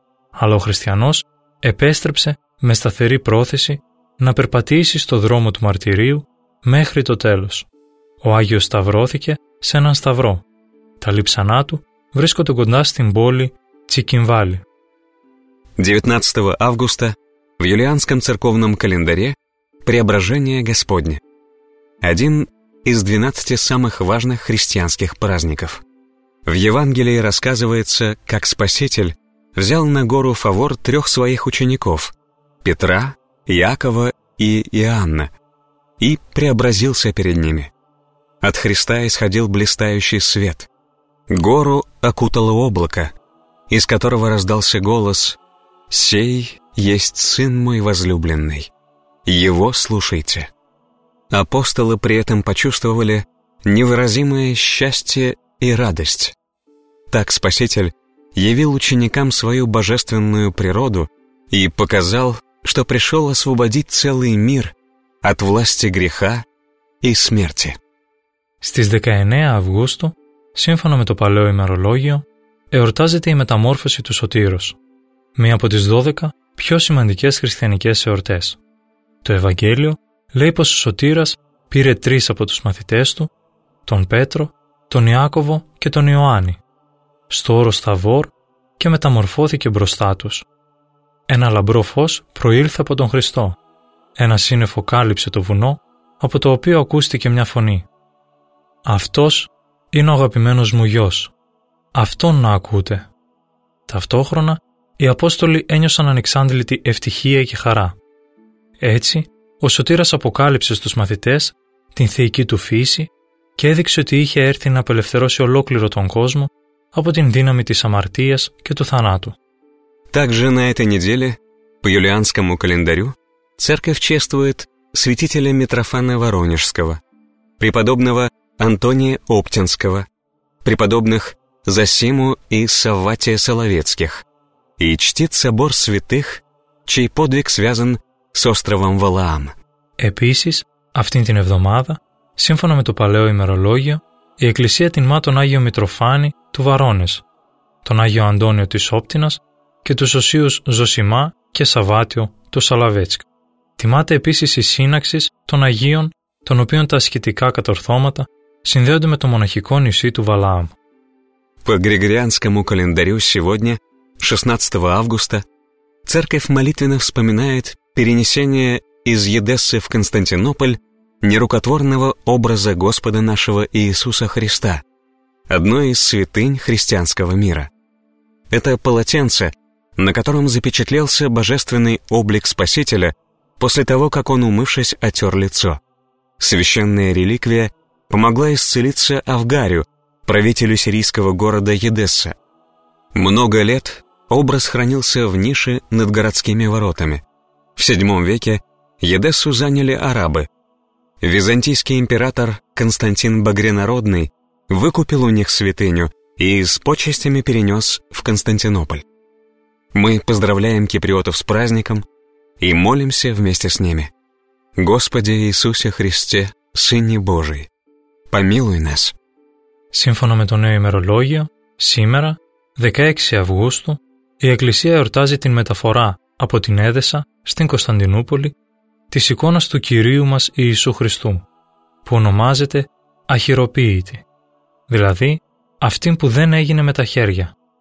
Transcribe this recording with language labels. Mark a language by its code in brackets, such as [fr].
[el] Αλλά ο χριστιανός επέστρεψε με σταθερή πρόθεση να περπατήσει στο δρόμο του μαρτυρίου μέχρι το τέλος. Ο Άγιος σταυρώθηκε σε έναν σταυρό. Τα λείψανά του βρίσκονται κοντά στην πόλη Τσικιμβάλη. [ru] 19 Αύγουστα, в юлианском церковном календаре, Преображение Господне. Один из 12 самых важных христианских праздников. В Евангелии рассказывается, как Спаситель взял на гору Фавор трех своих учеников – Петра, Иакова и Иоанна – и преобразился перед ними. От Христа исходил блистающий свет. Гору окутало облако, из которого раздался голос «Сей есть Сын мой возлюбленный, Его слушайте». Апостолы при этом почувствовали невыразимое счастье и радость. Так Спаситель явил ученикам свою божественную природу и показал, что пришел освободить целый мир от власти греха и смерти. [el] Στις 19 Αυγούστου, σύμφωνα με το παλαιό ημερολόγιο, εορτάζεται η μεταμόρφωση του Σωτήρος, μία από τις 12 πιο σημαντικές χριστιανικές εορτές. Το Ευαγγέλιο λέει πως ο Σωτήρας πήρε τρεις από τους μαθητές του, τον Πέτρο, τον Ιάκωβο και τον Ιωάννη, στο όρος Θαβόρ και μεταμορφώθηκε μπροστά τους. Ένα λαμπρό φως προήλθε από τον Χριστό. Ένα σύννεφο κάλυψε το βουνό, από το οποίο ακούστηκε μια φωνή. «Αυτός είναι ο αγαπημένος μου γιος. Αυτόν να ακούτε». Ταυτόχρονα, οι Απόστολοι ένιωσαν ανεξάντλητη ευτυχία και χαρά. Έτσι, ο Σωτήρας αποκάλυψε στους μαθητές την θεϊκή του φύση και έδειξε ότι είχε έρθει να απελευθερώσει ολόκληρο τον κόσμο από την δύναμη της αμαρτίας και του θανάτου. [ru] Также на этой неделе, по юлианскому календарю, церковь чествует святителя Митрофана Воронежского, преподобного Антония Оптинского, преподобных Зосиму и Савватия Соловецких и чтит собор святых, чей подвиг связан с островом Валаам. [el] Επίσης, αυτήν την εβδομάδα, σύμφωνα με το παλαιό ημερολόγιο, η Εκκλησία τιμά τον Άγιο Μητροφάνη του Βαρώνες, τον Άγιο Αντώνιο της Όπτινας και τους Οσίους Ζωσιμά και Σαββάτιο του Σαλαβέτσκ. Τιμάται επίσης η σύναξη των Αγίων, των οποίων τα ασκητικά κατορθώματα συνδέονται με το μοναχικό νησί του Βαλάμ. [ru] По Григорианскому календарю сегодня, 16 августа, церковь молитвенно вспоминает перенесение из Едессы в Константинополь нерукотворного образа Господа нашего Иисуса Христа, одной из святынь христианского мира. Это полотенце, на котором запечатлелся божественный облик Спасителя после того, как Он, умывшись, отер лицо. Священная реликвия помогла исцелиться Авгарию, правителю сирийского города Едесса. Много лет образ хранился в нише над городскими воротами. В VII веке Едессу заняли арабы. Византийский император Константин Багрянародный выкупил у них святыню и с почестями перенес в Константинополь. Мы поздравляем киприотов с праздником и молимся вместе с ними. Господи Иисусе Христе, Сыне Божий, помилуй нас. [el] Σύμφωνα με το νέο ημερολόγιο, σήμερα, 16 Αυγούστου, η Εκκλησία εορτάζει την μεταφορά από την Έδεσα στην Κωνσταντινούπολη της εικόνας του Κυρίου μας Ιησού Χριστού, που ονομάζεται Αχυροποίητη, δηλαδή αυτή που δεν έγινε με τα χέρια.